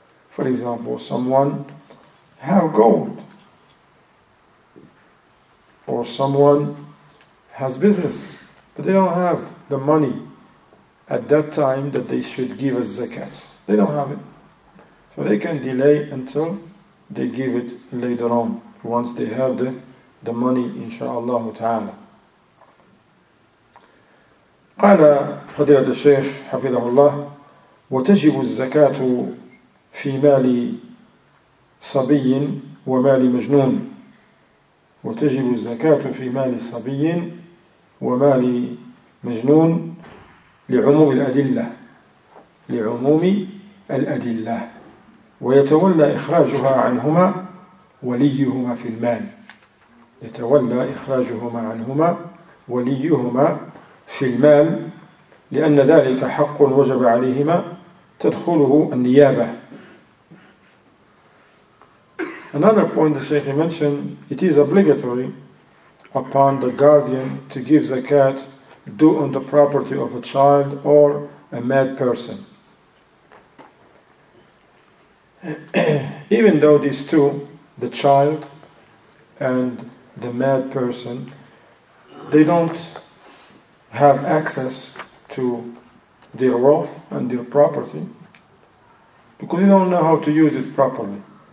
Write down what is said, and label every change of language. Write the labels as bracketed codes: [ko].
[en] For example, someone has gold, or someone has business, but they don't have the money at that time that they should give a zakat. They don't have it. So they can delay until they give it later on, once they have the money, inshaAllah ta'ala. [ar] قال فضيلة الشيخ حفظه الله وتجب الزكاة في مال صبي ومال مجنون. وتجب الزكاة في مال صبي ومال مجنون لعموم الأدلة، لعموم الأدلة، ويتولى إخراجها عنهما وليهما في المال، يتولى إخراجهما عنهما وليهما في المال، لأن ذلك حق وجب عليهما تدخله النيابة. [en] Another point the Shaykh mentioned, it is obligatory upon the guardian to give zakat due on the property of a child or a mad person. Even though these two, the child and the mad person, they don't have access to their wealth and their property because they don't know how to use it properly.